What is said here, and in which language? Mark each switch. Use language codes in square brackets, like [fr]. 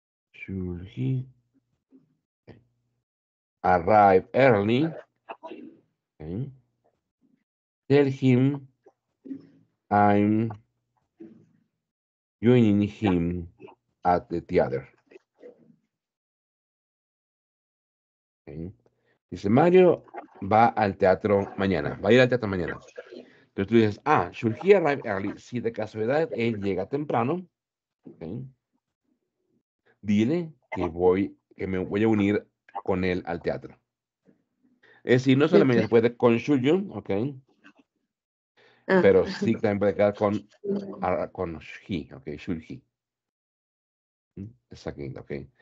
[en] should he arrive early, okay, tell him I'm joining him at the theater. Okay. [es] Dice, Mario va al teatro mañana, va a ir al teatro mañana. Entonces tú dices, ah, [en] should he arrive early? [es] Si de casualidad él llega temprano, okay, dile que me voy a unir con él al teatro. Es decir, no solamente puede con [en] should you, [es] ok, pero sí también puede quedar con he, ok, [en] should he. [es] Exacto, ok.